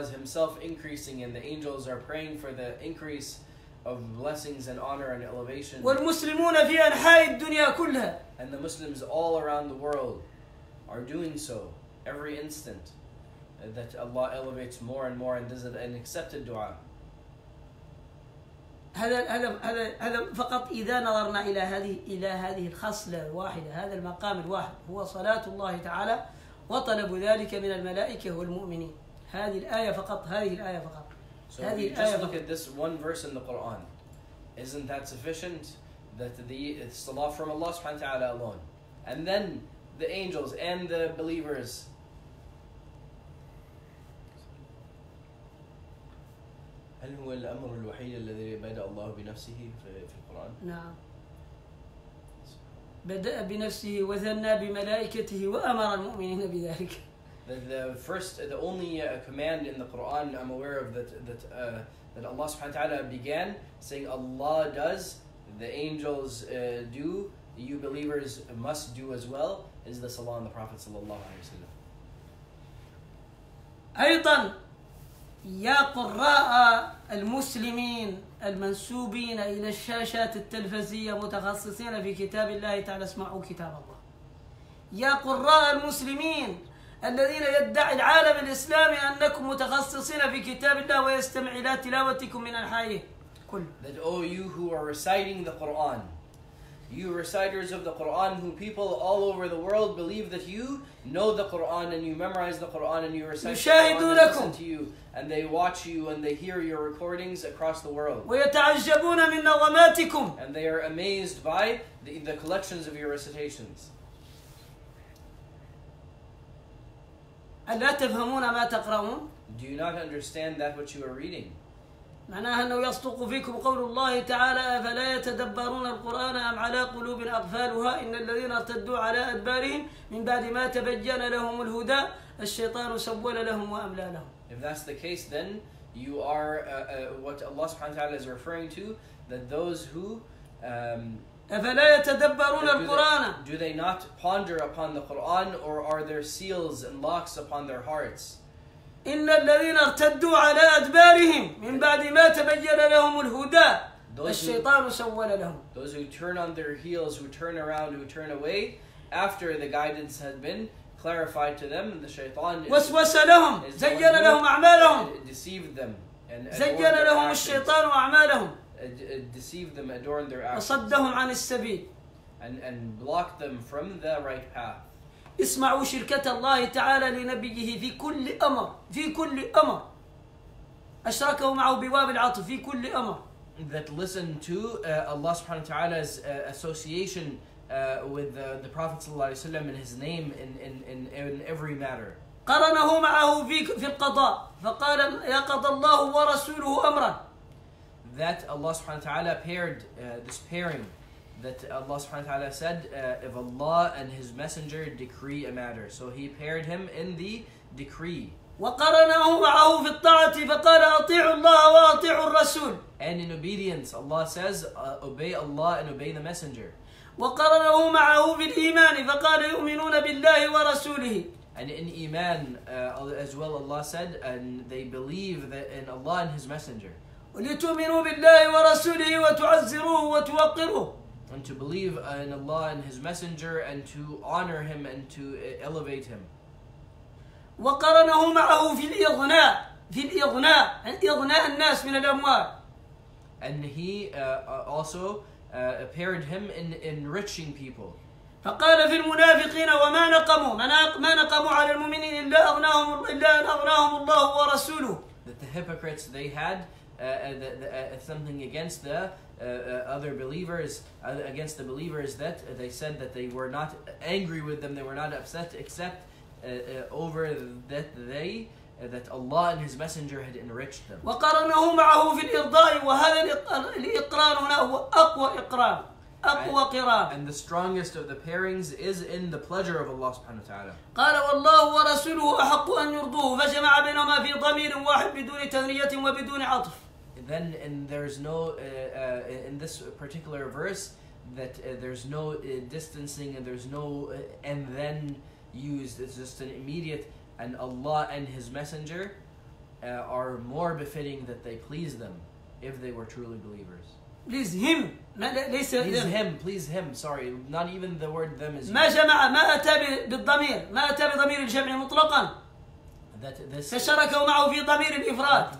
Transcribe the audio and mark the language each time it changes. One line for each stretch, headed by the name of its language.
English: is Himself increasing, and the angels are praying for the increase of blessings and honor and elevation.
Arabic: والمسلمون في أنحاء الدنيا كلها.
English: And the Muslims all around the world are doing so every instant, that Allah elevates more and more, and this is an accepted dua.
Arabic: هذا فقط إذا نظرنا إلى هذه الخصلة الواحدة هذا المقام الواحد هو صلاة الله تعالى. وطلب ذلك من الملائكة والمؤمنين هذه الآية فقط هذه الآية فقط.
English: So if you just look at this one verse in the Quran, isn't that sufficient? That the salah from Allah subhanahu wa ta'ala alone, and then the angels and the believers.
Arabic: هل هو الأمر الوحيد الذي بدأ الله بنفسه في القرآن؟ نعم. بدأ بنفسه وثنى بملائكته وأمر المؤمنين بذلك.
English: The only command in the Quran I'm aware of that Allah subhanahu wa ta'ala began saying Allah does, the angels do, you believers must do as well, is the salah on the Prophet sallallahu alaihi wasallam.
Arabic: أيضا يا قراء المسلمين المنسوبين إلى الشاشات التلفزية متخصصين في كتاب الله تعالى اسمعوا كتاب الله. يا قراء المسلمين الذين يدعي العالم الإسلامي أنكم متخصصين في كتاب الله ويستمع إلى تلاوتكم من الحائه كل.
English: That oh you who are reciting the Quran, you reciters of the Quran who people all over the world believe that you know the Quran and you memorize the Quran and you recite the Quran and listen to you and they watch you and they hear your recordings across the world.
Arabic: ويتعجبون من نظماتكم.
English: And they are amazed by the collections of your recitations.
Arabic: ألا تفهمون ما تقرؤون؟
English: Do you not understand that which you are reading?
Arabic: معناها أنه يصدق فيكم قول الله تعالى فلا يتدبرون القرآن أم على قلوب أقفالها إن الذين ارتدوا على أدبارهم من بعد ما تبين لهم الهدى الشيطان سول لهم وأملى لهم.
English: If that's the case, then you are what Allah subhanahu wa ta'ala is referring to, that those who
Arabic: أَفَلَا يَتَدَبَّرُونَ الْقُرْآنَ.
English: Do they not ponder upon the Quran, or are there seals and locks upon their hearts?
Arabic: إِنَّ الَّذِينَ ارْتَدُّوا عَلَى أَدْبَارِهِمْ مِنْ بَعْدِ مَا تَبَيَّنَ لَهُمُ الْهُدَى الشَّيْطَانُ سَوَّلَ لَهُمْ.
English: Those who turn on their heels, who turn around, who turn away, after the guidance had been clarified to them, the shaytan
Arabic: وسوس لهم زين لهم أعمالهم
English: deceived them and
Arabic: زين لهم الشيطان أعمالهم
English: deceived them, adorned their actions.
Arabic: وصدهم عن السبيل.
English: And blocked them from the right path.
Arabic: اسمعوا شركة الله تعالى لنبيه في كل أمر في كل أمر. أشركه معه بواب العطف في كل أمر.
English: That listen to Allah subhanahu wa ta'ala's association with the Prophet sallallahu alaihi wasallam and his name in every matter.
Arabic: قرنه معه في القضاء فقال يقضى الله ورسوله أمرا.
English: That Allah subhanahu wa ta'ala paired this pairing that Allah subhanahu wa ta'ala said if Allah and his messenger decree a matter, so he paired him in the decree.
Arabic: وقرنه معه في الطاعة فقال أطيعوا الله وأطيعوا الرسول.
English: And in obedience Allah says obey Allah and obey the messenger.
Arabic: وقرنه معه في الإيمان فقال يؤمنون بالله ورسوله.
English: And in iman as well Allah said and they believe that in Allah and his messenger.
Arabic: ولتؤمنوا بالله ورسوله وتعزروه وتوقروه.
English: And to believe in Allah and his messenger and to honor him and to elevate him.
Arabic: وقرنه معه في الإغناء في الإغناء إغناء الناس من الأموال.
English: And he also paired him in enriching people.
Arabic: فقال في المنافقين وما نقموا ما نقموا على المؤمنين إلا أغناهم إلا أن أغناهم الله ورسوله.
English: That the hypocrites they had something against the other believers against the believers that they said that they were not angry with them, they were not upset except over that they that Allah and his messenger had enriched them.
Arabic: وقرنه معه في الإرضاء وهذا الإقرار هنا هو أقوى إقرار أقوى قرار.
English: And the strongest of the pairings is in the pleasure of Allah subhanahu wa ta'ala.
Arabic: قال والله ورسوله أحق أن يرضوه فجمع بينهما في ضمير واحد بدون تثنية وبدون عطف.
English: Then and there's no in this particular verse that there's no distancing and there's no and then used. It's just an immediate and Allah and his messenger are more befitting that they please them if they were truly believers. Please him. Sorry, not even the word them is.
Arabic: ما جمع ما أتى بالضمير ما أتى بضمير الجمع مطلقا.
English: That this.
Arabic: فشركوا معه في ضمير الإفراد.